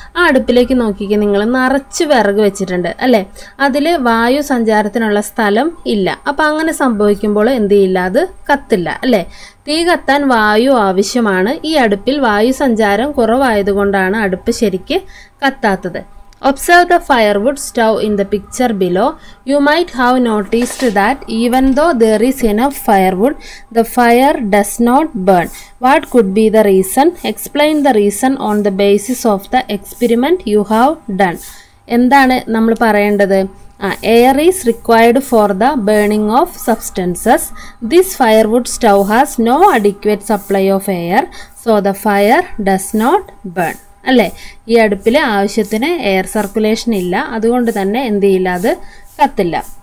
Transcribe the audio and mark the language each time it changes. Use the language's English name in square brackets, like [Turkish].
[Malayalam] ആ അടുപ്പിലേക്ക് നോക്കിക്കുക, നിങ്ങൾ നിറച്ച് വിറക് വെച്ചിട്ടുണ്ട് അല്ലേ. അതിൽ വായു സഞ്ചാരത്തിനുള്ള സ്ഥലം ഇല്ല. അപ്പോൾ അങ്ങനെ സംഭവിക്കുമ്പോൾ എന്ത് ചെയ്യില്ല? അത് കത്തില്ല അല്ലേ. തീ കത്താൻ വായു ആവശ്യമാണ്. ഈ അടുപ്പിൽ വായു സഞ്ചാരം കുറവായതുകൊണ്ടാണ് അടുപ്പ് ശരിക്ക് കത്താത്തത്. [English] Observe the firewood stove in the picture below. You might have noticed that even though there is enough firewood, the fire does not burn. What could be the reason? Explain the reason on the basis of the experiment you have done. [Malayalam] എന്താണ് നമ്മൾ പറയേണ്ടത്? [English] Air is required for the burning of substances. This firewood stove has no adequate supply of air, so the fire does not burn അല്ലേ. [Malayalam] ഈ അടുപ്പിൽ ആവശ്യത്തിന് air circulation ഇല്ല, അതുകൊണ്ട് തന്നെ എന്ത് ചെയ്യില്ല? അത് കത്തില്ല.